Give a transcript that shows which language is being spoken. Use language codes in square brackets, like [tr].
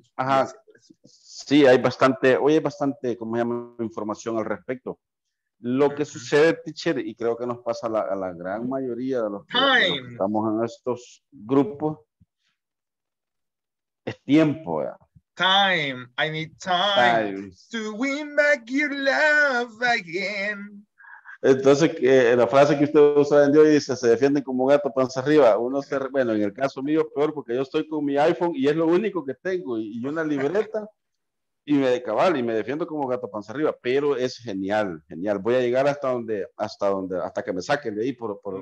[es] Ajá, sí, hay bastante, hoy hay bastante, ¿cómo se llama?, información al respecto. Lo que sucede, teacher, y creo que nos pasa a la gran mayoría de los que estamos en estos grupos, es tiempo, ¿verdad? [en] Time. I need time to win back your love again. [es] Entonces, la frase que usted usa en Dios dice, se defienden como un gato panza arriba. Uno se, bueno, en el caso mío, peor, porque yo estoy con mi iPhone y es lo único que tengo. Y una libreta y me cabal y me defiendo como gato panza arriba. Pero es genial, genial. Voy a llegar hasta que me saquen de ahí por